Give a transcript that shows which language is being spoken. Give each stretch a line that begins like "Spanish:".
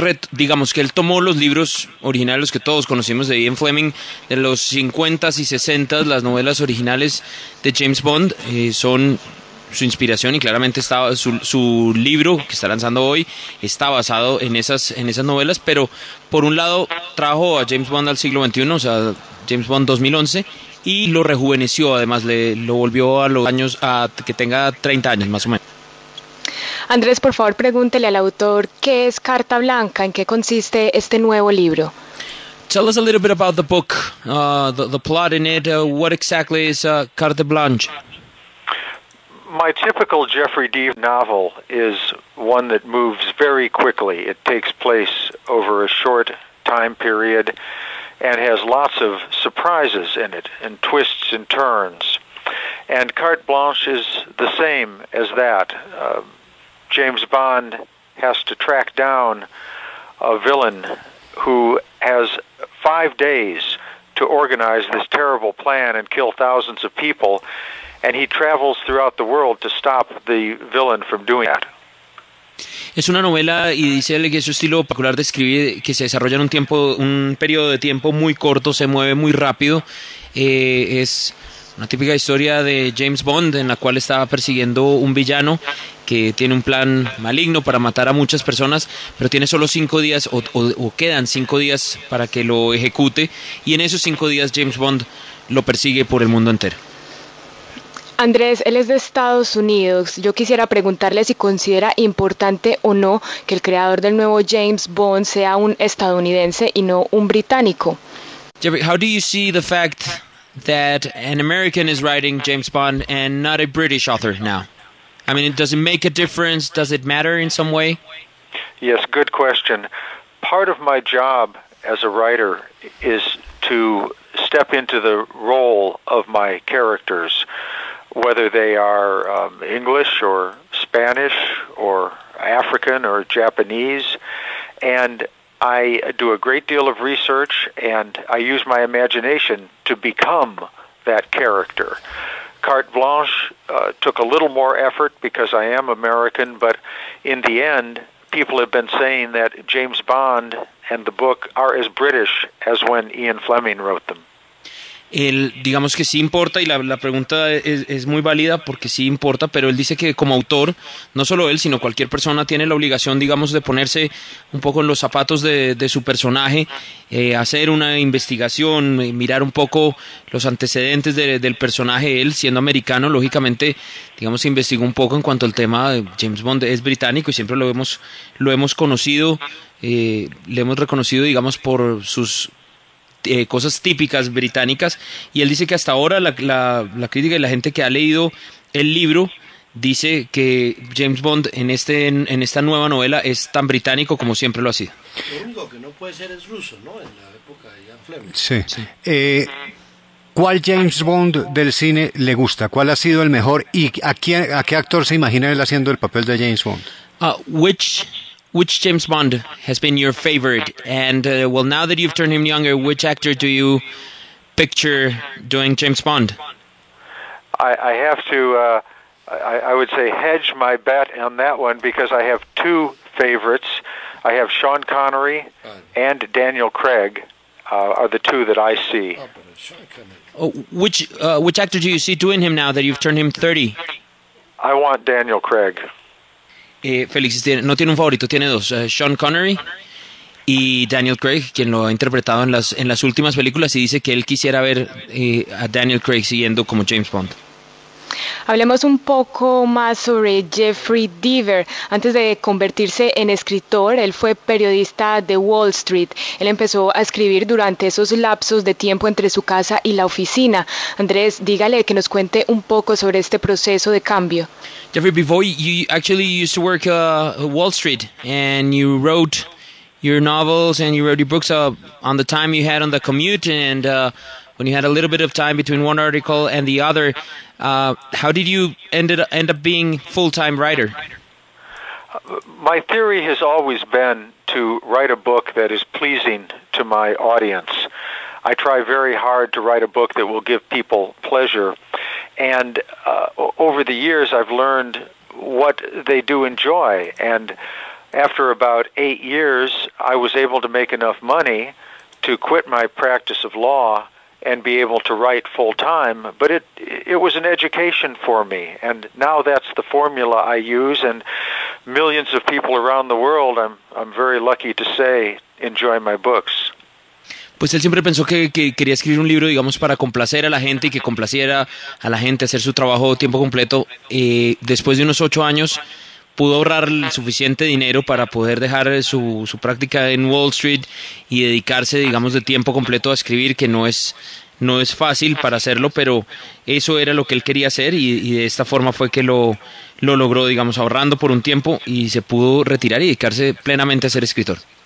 Spanish: Digamos que él tomó los libros originales que todos conocimos de Ian Fleming de los 50s y 60s, las novelas originales de James Bond son su inspiración, y claramente estaba su libro que está lanzando hoy está basado en esas novelas, pero por un lado trajo a James Bond al siglo XXI, o sea, James Bond 2011, y lo rejuveneció, además lo volvió a los años a que tenga 30 años más o menos. Andrés, por favor, pregúntele al autor, ¿qué es Carta Blanca? ¿En qué consiste este nuevo libro?
English: Tell us a little bit about the book, the plot in it. What exactly is Carte Blanche? My typical Jeffrey Deaver novel is one that moves very quickly. It takes place over a short time period and has lots of surprises in it and twists and turns. And Carte Blanche is the same as that. James Bond has to track down a villain who has 5 days to organize this terrible plan and kill thousands of people, and he travels throughout the world to stop the villain from doing that.
Spanish: Es una novela, y dice él que es su estilo particular de escribir, que se desarrolla en un periodo de tiempo muy corto, se mueve muy rápido. Es una típica historia de James Bond en la cual está persiguiendo un villano que tiene un plan maligno para matar a muchas personas, pero tiene solo 5 días o quedan 5 días para que lo ejecute, y en esos 5 días James Bond lo persigue por el mundo entero. Andrés, él es de Estados Unidos. Yo quisiera preguntarle si considera importante o no que el creador del nuevo James Bond sea un estadounidense y no un británico.
English: Jeffrey, how do you see the fact that an American is writing James Bond and not a British author now? I mean, does it make a difference? Does it matter in some way? Yes, good question. Part of my job as a writer is to step into the role of my characters, whether they are English or Spanish or African or Japanese. And I do a great deal of research, and I use my imagination to become that character. Carte Blanche took a little more effort because I am American, but in the end, people have been saying that James Bond and the book are as British as when Ian Fleming wrote them.
Spanish: Digamos que sí importa, y la pregunta es muy válida porque sí importa, pero él dice que como autor, no solo él, sino cualquier persona tiene la obligación, digamos, de ponerse un poco en los zapatos de su personaje, hacer una investigación, mirar un poco los antecedentes del personaje. Él, siendo americano, lógicamente, digamos, investigó un poco en cuanto al tema de James Bond. Es británico y siempre lo hemos conocido, le hemos reconocido, digamos, por sus cosas típicas británicas, y él dice que hasta ahora la crítica y la gente que ha leído el libro dice que James Bond en esta nueva novela es tan británico como siempre lo ha sido. Lo único que no puede ser es ruso, ¿no? En la época de Ian Fleming. Sí. Sí. ¿Cuál James Bond del cine le gusta? ¿Cuál ha sido el mejor? ¿Y a qué actor se imagina él haciendo el papel de James Bond?
English: Which James Bond has been your favorite? And well, now that you've turned him younger, which actor do you picture doing James Bond? I would say hedge my bet on that one because I have two favorites. I have Sean Connery and Daniel Craig are the two that I see. Which actor do you see doing him now that you've turned him 30? I want Daniel Craig.
Spanish: Félix, no tiene un favorito, tiene dos, Sean Connery y Daniel Craig, quien lo ha interpretado en las últimas películas, y dice que él quisiera ver a Daniel Craig siguiendo como James Bond. Hablemos un poco más sobre Jeffrey Deaver. Antes de convertirse en escritor, él fue periodista de Wall Street. Él empezó a escribir durante esos lapsos de tiempo entre su casa y la oficina. Andrés, dígale que nos cuente un poco sobre este proceso de cambio.
English: Jeffrey, before you actually used to work Wall Street and you wrote your novels and you wrote your books on the time you had on the commute and when you had a little bit of time between one article and the other, how did you end up being full-time writer? My theory has always been to write a book that is pleasing to my audience. I try very hard to write a book that will give people pleasure. And over the years, I've learned what they do enjoy. And after about 8 years, I was able to make enough money to quit my practice of law and be able to write full time, but it was an education for me, and now that's the formula I use, and millions of people around the world, I'm very lucky to say, enjoy my books.
Spanish: Pues él siempre pensó que quería escribir un libro, digamos, para complacer a la gente y que complaciera a la gente, hacer su trabajo tiempo completo. Después de unos 8 años, pudo ahorrar el suficiente dinero para poder dejar su práctica en Wall Street y dedicarse, digamos, de tiempo completo a escribir, que no es fácil para hacerlo, pero eso era lo que él quería hacer y de esta forma fue que lo logró, digamos, ahorrando por un tiempo y se pudo retirar y dedicarse plenamente a ser escritor.